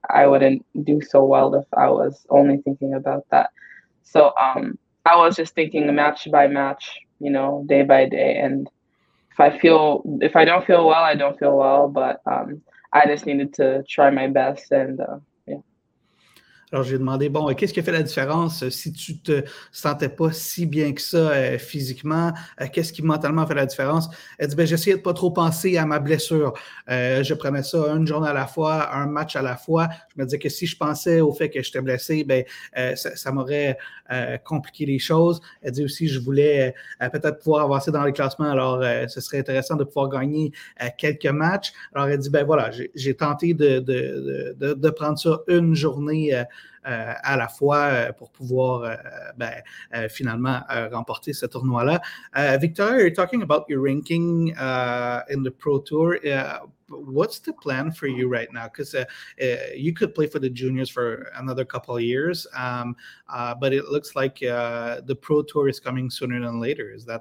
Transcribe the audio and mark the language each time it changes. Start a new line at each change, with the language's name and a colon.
English: I wouldn't do so well if I was only thinking about that. So I was just thinking match by match, you know, day by day. And if I don't feel well, I don't feel well, but I just needed to try my best and
French: Alors, j'ai demandé, bon, qu'est-ce qui a fait la différence si tu te sentais pas si bien que ça physiquement? Qu'est-ce qui mentalement a fait la différence? Elle dit, bien, j'essayais de pas trop penser à ma blessure. Je prenais ça une journée à la fois, un match à la fois. Je me disais que si je pensais au fait que j'étais blessé, bien, ça m'aurait compliqué les choses. Elle dit aussi, je voulais peut-être pouvoir avancer dans les classements. Alors, ce serait intéressant de pouvoir gagner quelques matchs. Alors, elle dit, bien, voilà, j'ai tenté de prendre ça une journée à la fois pour pouvoir finalement remporter ce tournoi-là.
English: Victoria, you're talking about your ranking in the Pro Tour. What's the plan for you right now? Because you could play for the juniors for another couple of years, but it looks like the Pro Tour is coming sooner than later.